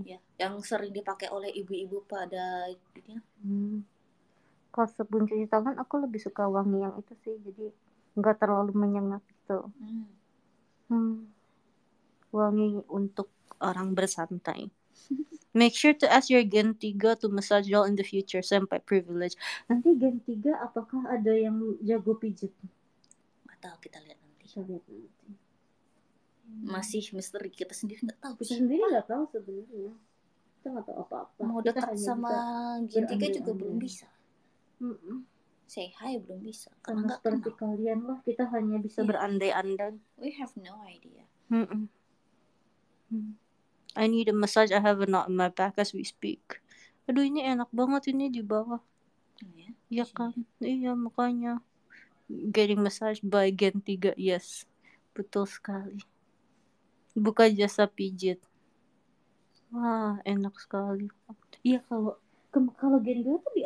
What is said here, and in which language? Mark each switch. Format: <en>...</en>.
<id>Ya, yang sering dipakai oleh ibu-ibu pada ya. Kalau sabun cuci tangan aku lebih suka wangi yang itu sih. Jadi enggak terlalu menyengat gitu. wangi untuk orang bersantai.</id> <en>Make sure to ask your gen 3 to massage y'all in the future, senpai privilege.</en> <id>Nanti gen 3 apakah ada yang jago pijet? Gak tahu, kita lihat nanti. Masih misteri, kita sendiri gak tahu. Kita sendiri gak tahu sebenarnya. Kita gak tahu apa-apa. Mau dekat sama gen 3 juga belum bisa. Say hi belum bisa. Karena seperti kalian lah, kita hanya bisa berandai-andai.</id> <en>We have no idea. I need a massage. I have a knot in my back as we speak.</en> <id>Aduh, ini enak banget ini di bawah. Iya kan? Iya, makanya.</id> <en>Getting massage by Gen 3. Yes.</en> <id>Betul sekali. Buka jasa pijit. Wah, enak sekali. Iya, kalau Gen 2 tuh di</id>